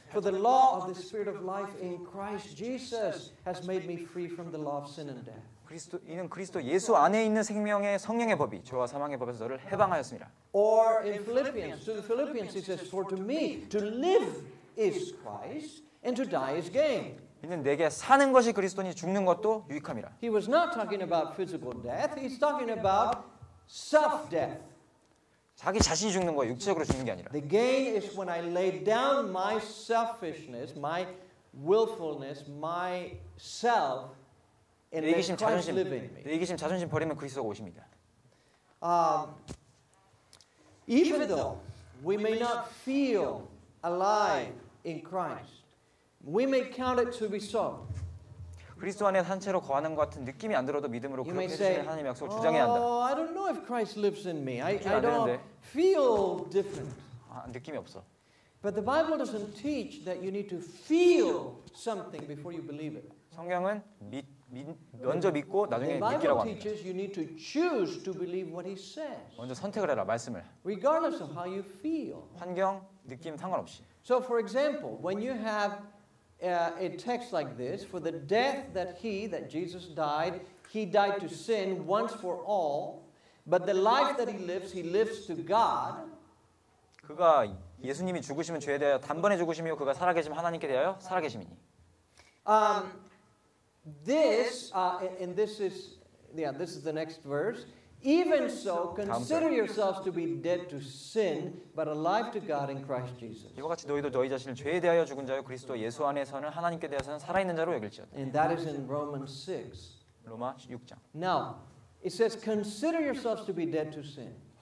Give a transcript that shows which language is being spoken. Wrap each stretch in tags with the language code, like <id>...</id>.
<en>For the law of the spirit of life in Christ Jesus has made me free from the law of sin and death.</en> <ko>그리스도 이는 그리스도 예수 안에 있는 생명의 성령의 법이 죄와 사망의 법에서 너를 해방하였습니다.</ko> <en>Or in Philippians, to the Philippians he says, for to me to live is Christ and to die is gain.</en> <ko>이는 내게 사는 것이 그리스도니 죽는 것도 유익함이라.</ko> <en>He was not talking about physical death. He's talking about self-death.</en> <ko>자기 자신이 죽는 거 육체적으로 죽는 게 아니라.</ko> <en>The gain is when I lay down my selfishness, my willfulness, my self.</en> <ko>내 이기심 자존심 내 이기심 자존심 버리면 그리스도가 오십니다.</ko> <en>Even though we may not feel alive in Christ, we may count it to be so.</en> <ko>그리스도 안에 한 채로 거하는 것 같은 느낌이 안 들어도 믿음으로 그렇게 해주시는 하나님의 약속을 주장해야 한다.</ko> <en>Oh, I don't know if Christ lives in me. I don't feel different.</en> <ko>느낌이 없어.</ko> <en>But the Bible doesn't teach that you need to feel something before you believe it.</en> <ko>성경은 먼저 믿고 나중에 믿기라고 합니다.</ko> <en>Teaches you need to choose to believe what he says.</en> <ko>먼저 선택을 해라 말씀을.</ko> <en>Regardless of how you feel.</en> <ko>환경, 느낌 상관없이.</ko> <en>So for example, when you have a text like this, for the death that he, that Jesus died, he died to sin once for all, but the life that he lives to God.</en> <ko>그가 예수님이 죽으시면 죄에 대하여 단번에 죽으시며 그가 살아계시면 하나님께 대하여 살아계심이니.</ko> <en>This and this is yeah this is the next verse. Even so, consider yourselves to be dead to sin, but alive to God in Christ Jesus.</en> <ko>이와 같이 너희도 너희 자신을 죄에 대하여 죽은 자요 그리스도 예수 안에서는 하나님께 대하여는 살아있는 자로 여길지어다.</ko> <en>And that is in Romans 6.</en> <ko>로마 6장.</ko> <en>Now it says, consider yourselves to be dead to sin.</en>